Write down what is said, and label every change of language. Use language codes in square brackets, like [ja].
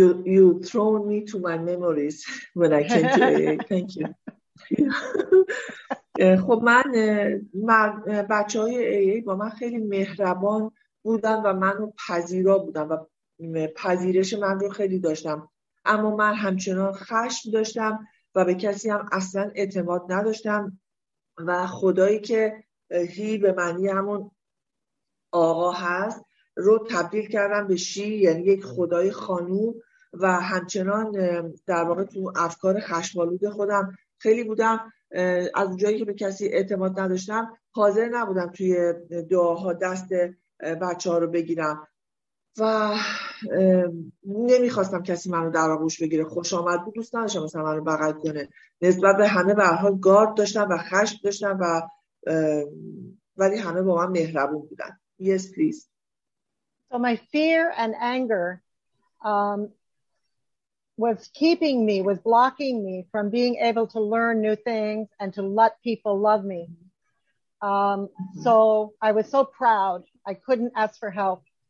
[en] You thrown me to my memories when I came to AA. Thank you. [fa] خب من بچه‌های AA با من خیلی مهربان بودن و منو پذیرا بودن و پذیرش من رو خیلی داشتم، اما من همچنان خشم داشتم و به کسی هم اصلا اعتماد نداشتم و خدایی که هی به معنی همون آقا هست رو تبدیل کردم به شی، یعنی یک خدای خانوم و همچنان در واقع تو افکار خشم‌آلود خودم خیلی بودم. از اونجایی که به کسی اعتماد نداشتم حاضر نبودم توی دعاها دست بچه ها رو بگیرم و نمیخواستم کسی منو در آغوش بگیره. خوش آمد بود، دوست نداشتم مثلا منو بغل کنه. نسبت به همه به هر حال گارد داشتم و خشم داشتم و ولی همه با من مهربون بودن. [en] Yes, please. So my fear and anger was keeping me, was blocking me from being able to learn new things and to let people love me. So I was so proud. I couldn't ask for help.